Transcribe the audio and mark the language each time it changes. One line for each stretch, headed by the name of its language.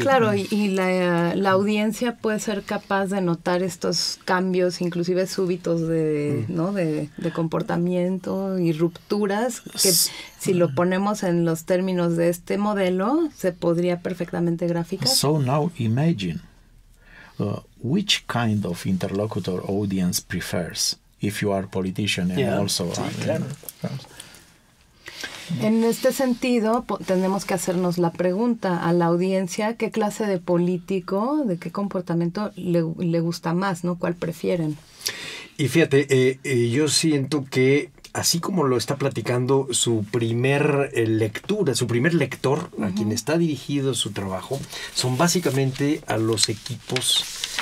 Spanish: Claro, y la audiencia puede ser capaz de notar estos cambios, inclusive súbitos de, ¿no? de comportamiento y rupturas, que si lo ponemos en los términos de este modelo, se podría perfectamente graficar.
English: So now imagine, which kind of interlocutor audience prefers, if you are politician and yeah. also...
Spanish: Sí,
English: are,
Spanish: claro. En este sentido, tenemos que hacernos la pregunta a la audiencia, ¿qué clase de político, de qué comportamiento le gusta más, ¿no? ¿Cuál prefieren? Y fíjate, yo siento que así como lo está platicando su primer lectura, su primer lector, uh-huh. a quien está dirigido su trabajo, son básicamente a los equipos